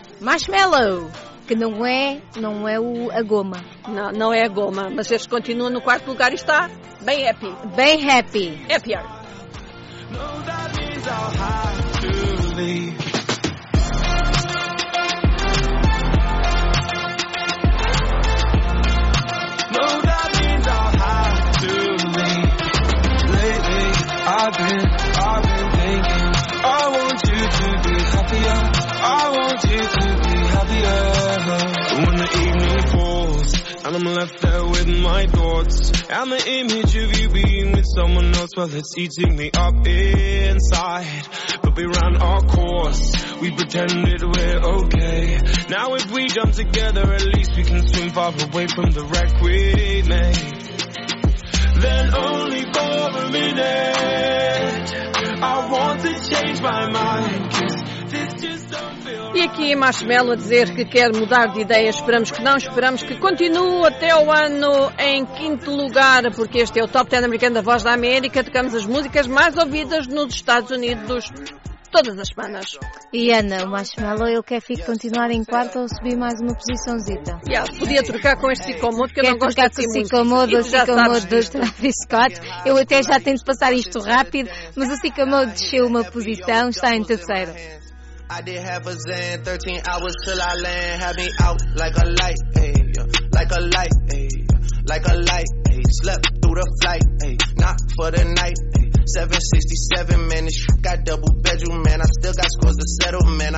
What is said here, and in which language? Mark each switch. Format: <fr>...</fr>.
<pt>Marshmallow, que não é a goma. Não é a goma, mas este continua no quarto lugar e está bem happy. Bem happy.</pt> <en>Happier. Know that means I'll have to leave. Know that means I'll have to leave. Lately, I've been thinking, I want you to be happier. I want you to be happier. When the evening falls and I'm left there with my thoughts and the image of you being with someone else, well, it's eating me up inside. But we ran our course, we pretended we're okay. Now if we jump together, at least we can swim far away from the wreck we made. Then only for a minute I want to change my mind, 'cause this just don't.</en> <pt>E aqui a Marshmallow a dizer que quer mudar de ideia. Esperamos que não, esperamos que continue até o ano em quinto lugar, porque este é o Top 10 americano da Voz da América. Tocamos as músicas mais ouvidas nos Estados Unidos todas as semanas. E Ana, o Marshmallow, ele quer continuar em quarto ou subir mais uma posiçãozita? Yeah, podia trocar com este Sicomodo, que eu não gosto de Sicomodo. Quer trocar com o Sicomodo do Travis Scott? Eu até já tento passar isto rápido, mas o Sicomodo desceu uma posição, está em terceiro.</pt> <en>I did half a zen, 13 hours till I land. Had me out like a light, ayy, like a light, ayy, like a light, ayy. Slept through the flight, ayy, not for the night, ayy. 767, man, this shit got double bedroom, man. I still got scores to settle, man.</en>